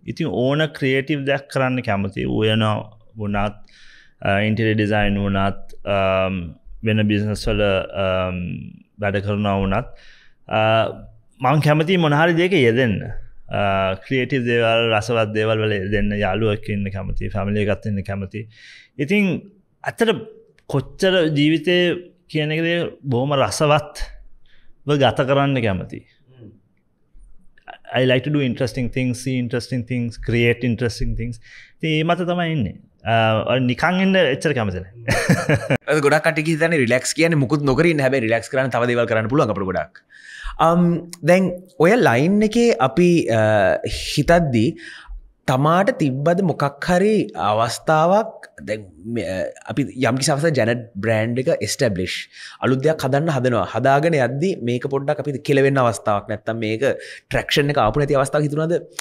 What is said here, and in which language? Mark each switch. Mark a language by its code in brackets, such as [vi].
[si] ඉතින් ඕන ක්‍රියේටිව් දෙයක් කරන්න කැමති. ඌයනවා වුණත්, ඉන්ටීරියර් ඩිසයින් වුණත්, වෙන බිස්නස් වල වැඩ කරනවා වුණත් මම කැමති මොන හරි දෙයක යෙදෙන්න. ක්‍රියේටිව් දේවල්, රසවත් දේවල් වල යෙදෙන්න යාළුවෙක් ඉන්න කැමති, ෆැමිලි එකත් ඉන්න කැමති. ඉතින් ඇත්තට කොච්චර ජීවිතයේ කියන එකද බොහොම රසවත්ව ගත කරන්න කැමති. [en] I like to do interesting things, see interesting things, create interesting things. [si] ඒ මත තමයි ඉන්නේ. නිකන් ඉන්න එච්චර කැමති නැහැ. ගොඩක් කටි කිහිදන්නේ රිලැක්ස් කියන්නේ මුකුත් නොකර ඉන්න. හැබැයි රිලැක්ස් කරන්න තව දේවල් කරන්න පුළුවන් අපිට ගොඩක්. දැන් ඔය ලයින් එකේ අපි හිතද්දී තමාට තිබ්බද මොකක් හරි අවස්ථාවක්? දැන් අපි යම්කිසි අවස්ථාවක ජනට් බ්‍රෑන්ඩ් එක එස්ටැබ්ලිෂ් අලුත් දෙයක් හදන්න හදනවා, හදාගෙන යද්දී මේක පොඩ්ඩක් අපි කෙලවෙන්න අවස්ථාවක්, නැත්තම් මේක ට්‍රැක්ෂන් එක ආපු නැති අවස්ථාවක් හිතුණාද?